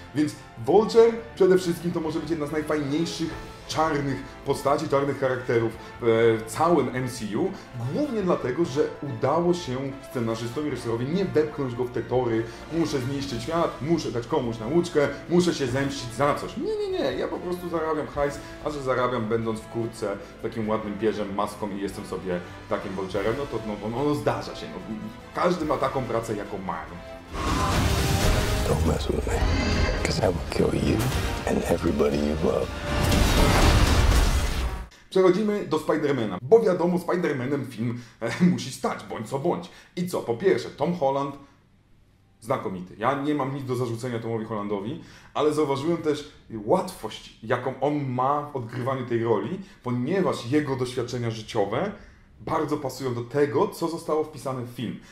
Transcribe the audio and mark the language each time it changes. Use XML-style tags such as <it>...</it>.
<pl>Więc Vulture przede wszystkim to może być jedna z najfajniejszych czarnych postaci, czarnych charakterów w całym MCU, głównie dlatego, że udało się scenarzystowi, reżyserowi nie wepchnąć go w te tory, muszę zniszczyć świat, muszę dać komuś nauczkę, muszę się zemścić za coś. Nie, nie, nie, ja po prostu zarabiam hajs, a że zarabiam będąc w kurtce, takim ładnym pierzem, maską i jestem sobie takim Vulture'em, no to no, no, no, zdarza się, no, każdy ma taką pracę jaką ma.</pl> <en>Don't mess with me, because I will kill you and everybody you love.</en> <pl>Przechodzimy do Spidermana, bo wiadomo, Spidermanem film musi stać, bądź co bądź. I co? Po pierwsze, Tom Holland, znakomity. Ja nie mam nic do zarzucenia Tomowi Hollandowi, ale zauważyłem też łatwość, jaką on ma w odgrywaniu tej roli, ponieważ jego doświadczenia życiowe bardzo pasują do tego, co zostało wpisane w film.</pl>